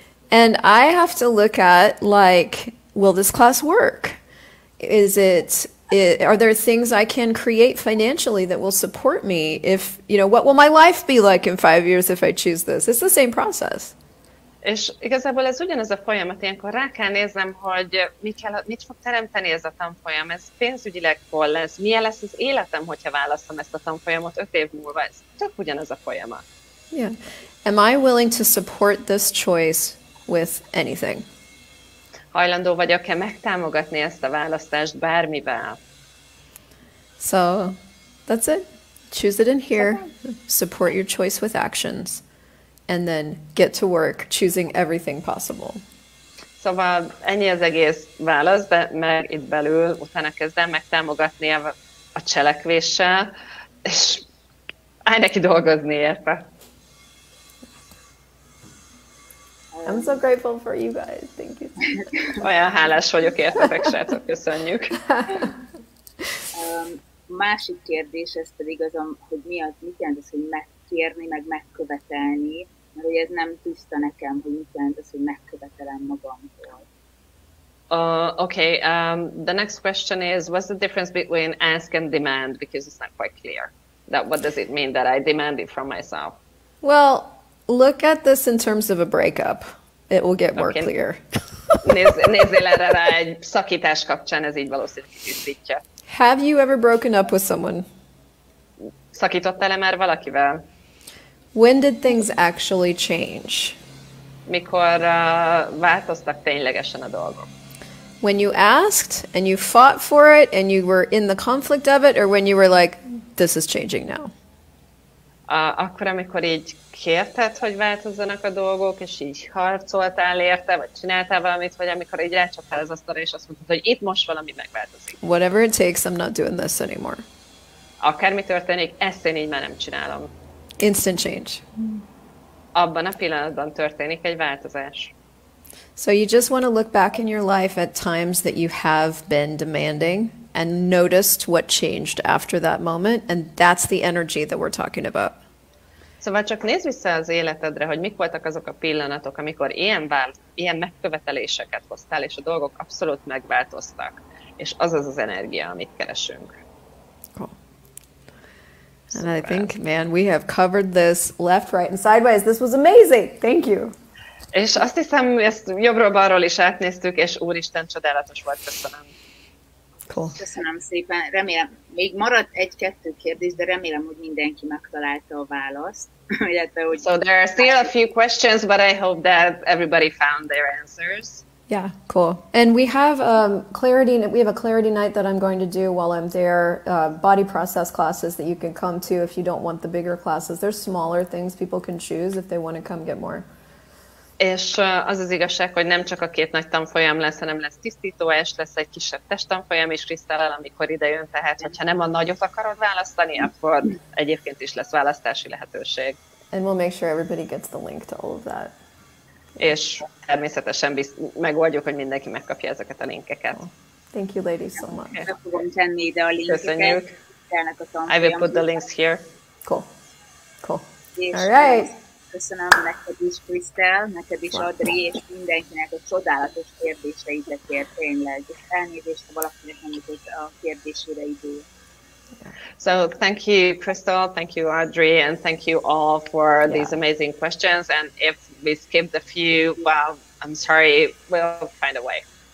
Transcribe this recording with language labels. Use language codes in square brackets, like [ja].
[en] And I have to look at, like, will this class work? Are there things I can create financially that will support me? If, you know, what will my life be like in 5 years if I choose this? It's the same process. [hu] És igazából ez ugyanaz a folyamat, ilyenkor rá kell néznem, hogy mit fog teremteni ez a tanfolyam, ez pénzügyileg hol lesz, milyen lesz az életem, hogyha választom ezt a tanfolyamot 5 év múlva, ez tök ugyanaz a folyamat. [en] Yeah. Am I willing to support this choice with anything? [hu] Hajlandó vagyok-e megtámogatni ezt a választást bármivel? [en] So, that's it. Choose it in here. Support your choice with actions. And then get to work choosing everything possible. [hu] Szóval ennyi az egész válasz, de meg itt belül utána kezdem megtámogatni a cselekvéssel, és állj neki dolgozni érte. [en] I'm so grateful for you guys. Thank you. [hu] Olyan hálás vagyok értetek, srácok, köszönjük. Másik kérdés, ez pedig az, hogy mi az, mit jelent az, hogy megkérni, meg megkövetelni, mert hogy ez nem tiszta nekem, hogy mit jelent az, hogy megkövetelem magamtól. [en] Okay, the next question is, what's the difference between ask and demand? Because it's not quite clear. That what does it mean that I demand it from myself? Well, look at this in terms of a breakup. It will get more clear. [hu] Nézzél erre rá egy szakítás kapcsán, ez így valószínűleg tisztítja. [en] Have you ever broken up with someone? [hu] Szakítottál-e már valakivel? [en] When did things actually change? [hu] Mikor változtak ténylegesen a dolgok? [en] When you asked and you fought for it and you were in the conflict of it, or when you were like, this is changing now? [hu] Akkor, amikor így kérted, hogy változzanak a dolgok, és így harcoltál érte, vagy csináltál valamit, vagy amikor így rácsaptál az asztalra, és azt mondtad, hogy itt most valami megváltozik. [en] Whatever it takes, I'm not doing this anymore. [hu] Akármi történik, ezt én így már nem csinálom. [en] Instant change. [hu] Abban a pillanatban történik egy változás. [en] So you just want to look back in your life at times that you have been demanding and noticed what changed after that moment, and that's the energy that we're talking about. [hu] Szóval csak nézz vissza az életedre, hogy mik voltak azok a pillanatok, amikor ilyen megköveteléseket hoztál, és a dolgok abszolút megváltoztak. És az az az energia, amit keresünk. [en] Cool. And I think, man, we have covered this left, right, and sideways. This was amazing. Thank you. [hu] És azt hiszem, ezt jobbról-balról is átnéztük, és úristen, csodálatos volt, köszönöm. [en] Cool. [hu] Köszönöm szépen. Remélem, még maradt egy-kettő kérdés, de remélem, hogy mindenki megtalálta a választ. [en] So there are still a few questions, but I hope that everybody found their answers. Yeah, cool. And we have a clarity night that I'm going to do while I'm there. Body process classes that you can come to if you don't want the bigger classes. There's smaller things people can choose if they want to come get more. [hu] És az az igazság, hogy nem csak a két nagy tanfolyam lesz, hanem lesz tisztító est, lesz egy kisebb testtanfolyam is Krisztállal, amikor ide jön, tehát hogyha nem a nagyot akarod választani, akkor egyébként is lesz választási lehetőség. [en] And we'll make sure everybody gets the link to all of that. [hu] És természetesen megoldjuk, hogy mindenki megkapja ezeket a linkeket. [en] Thank you ladies so much. Okay. [hu] Fogom tenni ide a linkeket. Köszönjük. [en] I will put the links here. Cool. All right. [hu] Köszönöm neked is, Krisztel, neked is, Adri, és mindenkinek a csodálatos kérdéseidet ért, tényleg. Elnézést, ha valakinek nem jutott a kérdésére idő. [en] So thank you, Crystal. Thank you, Audrey, and thank you all for these amazing questions. And if we skip a few, well, I'm sorry, we'll find a way.